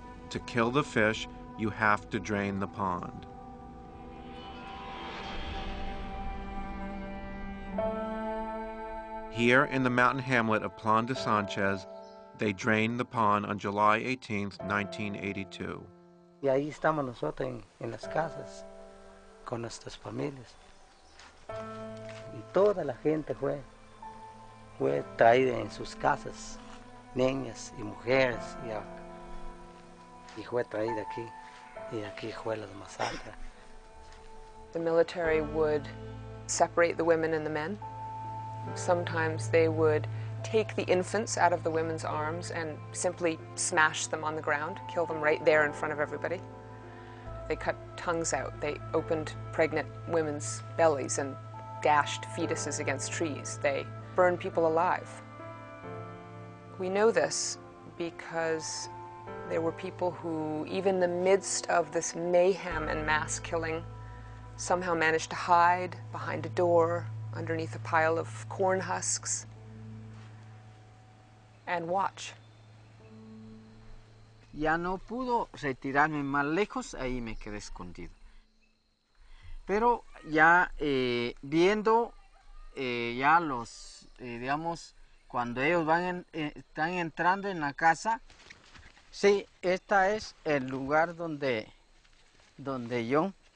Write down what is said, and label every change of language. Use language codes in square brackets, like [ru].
[en] To kill the fish, you have to drain the pond. Here in the mountain hamlet of Plan de Sanchez, they drained the pond on July 18th, 1982. [es] Y ahí estamos nosotros en las casas con nuestras familias. Y toda la gente fue traída en sus casas, niñas y mujeres, y fue traída aquí, y aquí fue la masacre. [en] The military would separate the women and the men. Sometimes they would take the infants out of the women's arms and simply smash them on the ground, kill them right there in front of everybody. They cut tongues out. They opened pregnant women's bellies and dashed fetuses against trees. They burned people alive. We know this because there were people who, even in the midst of this mayhem and mass killing, somehow managed to hide behind a door, underneath a pile of corn husks, and watch. [es] Ya no pudo retirarme más lejos, ahí me quedé escondido. Pero ya viendo ya los, digamos, cuando ellos van están entrando en la casa, sí, esta es el lugar donde yo.